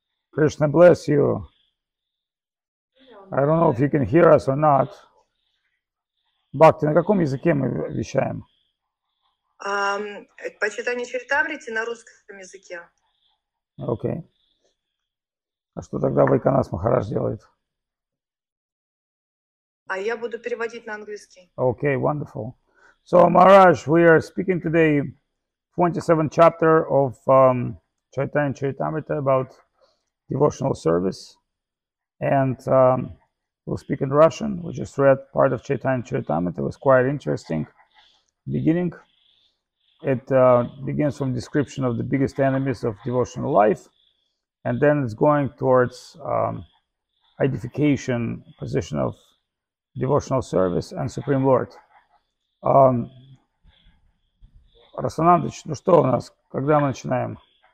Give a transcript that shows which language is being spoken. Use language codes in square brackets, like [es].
[en] Кришна bless you. I don't know if you can hear us or not. [ru] Бхакти, на каком языке мы вещаем? Почитание Чаритамрити на русском языке. Окей. А что тогда Вайканас Махарадж делает? А я буду переводить на английский. Окей, [en] wonderful. So, Maharaj, we are speaking today 27th chapter of Chaitanya Charitamrita about devotional service. And we'll speak in Russian. We just read part of Chaitanya Charitamrita. It was quite interesting beginning. It begins from description of the biggest enemies of devotional life. And then it's going towards identification, position of devotional service and Supreme Lord. [ru] Расанандыч, ну что у нас, когда мы начинаем?